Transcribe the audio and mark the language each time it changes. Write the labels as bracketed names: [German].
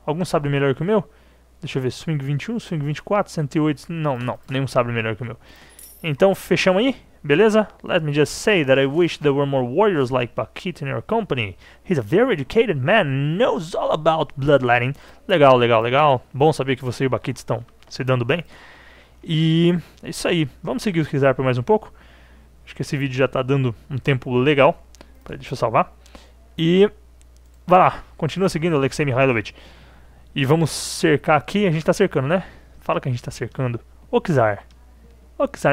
[Portuguese] Algum sabre melhor que o meu? Deixa eu ver, Swing 21, Swing 24, 108. Não, não, nenhum sabre melhor que o meu. Então, fechamos aí, beleza? [English] Let me just say that I wish there were more warriors like Paquita in your company. He's a very educated man, knows all about bloodletting. [Portuguese] Legal, legal, legal. Bom saber que você e o Paquita estão se dando bem. E é isso aí. Vamos seguir o Kizar por mais um pouco. Acho que esse vídeo já tá dando um tempo legal. Peraí, deixa eu salvar. E vai lá. Continua seguindo o Alexei Mihailovich. E vamos cercar aqui. A gente tá cercando, né? Fala que a gente tá cercando. Ô, Kizar. Ô, Kizar.